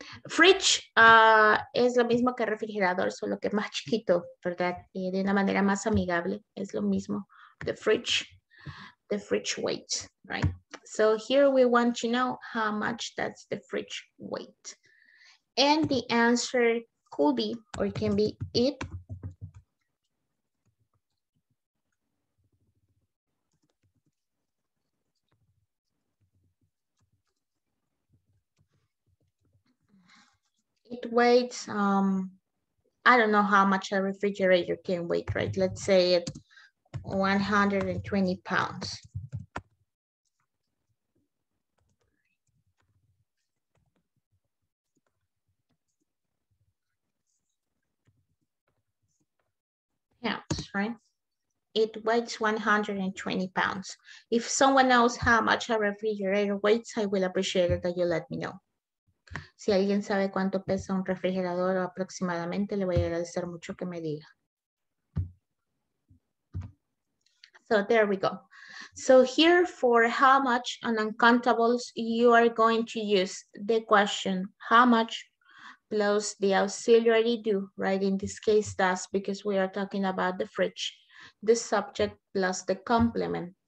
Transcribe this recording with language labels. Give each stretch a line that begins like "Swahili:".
Spanish: Fridge es lo mismo que refrigerador, solo que más chiquito, ¿verdad? Y de una manera más amigable, es lo mismo.
English: The fridge weight, right? So here we want to know how much does the fridge weight. And the answer could be, or it can be it. It weighs, I don't know how much a refrigerator can weigh, right? Let's say it's 120 pounds. Pounds, right? It weighs 120 pounds. If someone knows how much a refrigerator weighs, I will appreciate it that you let me know.
Spanish: Si alguien sabe cuánto pesa un refrigerador aproximadamente, le voy a agradecer mucho que me diga.
English: So there we go. So here for how much and uncountables, you are going to use the question how much plus the auxiliary do, right? In this case, does, because we are talking about the fridge, the subject plus the complement.